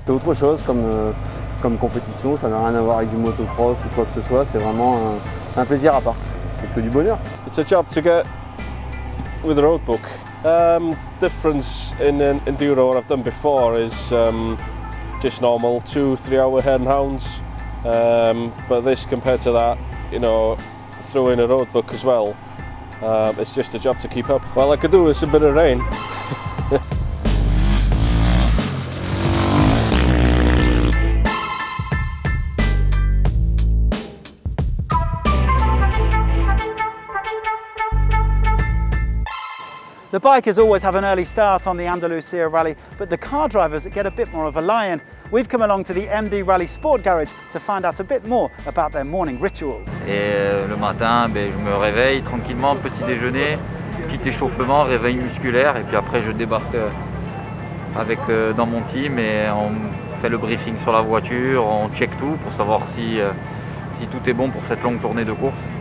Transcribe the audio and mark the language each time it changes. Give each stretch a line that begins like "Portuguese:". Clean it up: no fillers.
French: C'est autre chose comme compétition, ça n'a rien à voir avec du motocross ou quoi que ce soit, c'est vraiment un plaisir à part. C'est que du bonheur.
English: It's a job to get with a road book. Difference in an enduro what I've done before is just normal 2-3 hour head and hounds, but this compared to that, you know, throw in a road book as well, it's just a job to keep up. Well, I could do with a bit of rain. The bikers always have an early start on the Andalusia rally, but the car drivers get a bit more of a lie-in. We've come along to the MD Rally Sport Garage to find out a bit more about their morning rituals.
French: Et le matin, je me réveille tranquillement, petit déjeuner, petit échauffement, réveil musculaire, et puis après je débarque avec dans mon team et on fait le briefing sur la voiture, on check tout pour savoir si tout est bon pour cette longue journée de course.